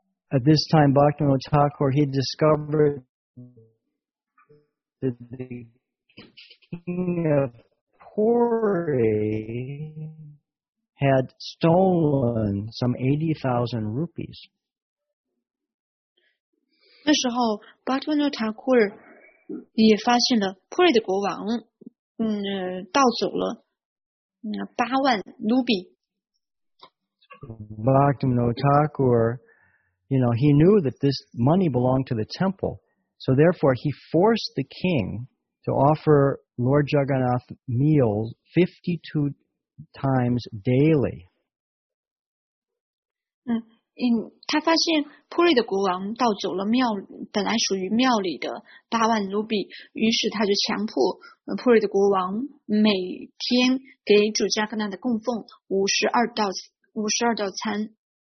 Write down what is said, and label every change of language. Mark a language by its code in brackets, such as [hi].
[en] At this time, Bhaktivinoda Thakur, he discovered the king of Puri had stolen some 80,000 rupees. [zh] 那时候 Bhatvanu Thakur 也发现了 Puri 的国王盗走了八万卢比。 [en] Bhatvanu Thakur, you know, he knew that this money belonged to the temple, so therefore he forced the king to offer Lord Jagannath meals 52 times daily. [zh] 他发现普利的国王盗走了庙，本来属于庙里的八万卢比，于是他就强迫普利的国王每天给主加格纳的供奉52道餐。